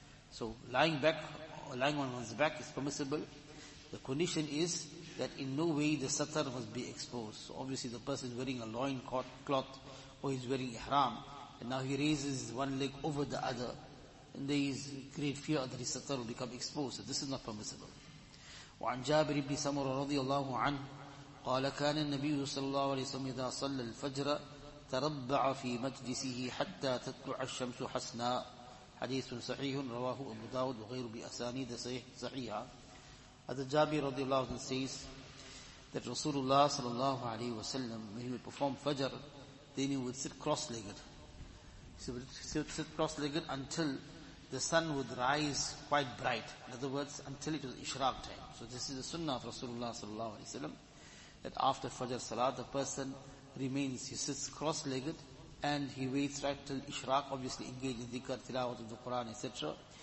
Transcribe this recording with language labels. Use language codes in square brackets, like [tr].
[en] So lying back or lying on one's back is permissible. The condition is that in no way the satr must be exposed. So obviously the person is wearing a loin cloth or he's wearing ihram, and now he raises one leg over the other, and there is great fear that his satr will become exposed. So this is not permissible. [ar] وعن جابر بن سمرة رضي الله عنه قال كان النبي صلى الله عليه وسلم إذا صلى الفجر تربع في مجلسه حتى تطلع الشمس حسناء. حديث صحيح رواه أبو داود وغيره بأسانيد صحيحة. [en] As the Jabi radiallahu anhu says that Rasulullah sallallahu alayhi wa sallam, when he would perform fajr, then he would sit cross-legged. He would sit cross-legged until the sun would rise quite bright. In other words, until it was ishraq time. So this is the sunnah of Rasulullah sallallahu alayhi wa sallam, that after fajr salah, the person remains, he sits cross-legged, and he waits right till ishraq, obviously engaged in dhikr, tilawat of the Quran, etc.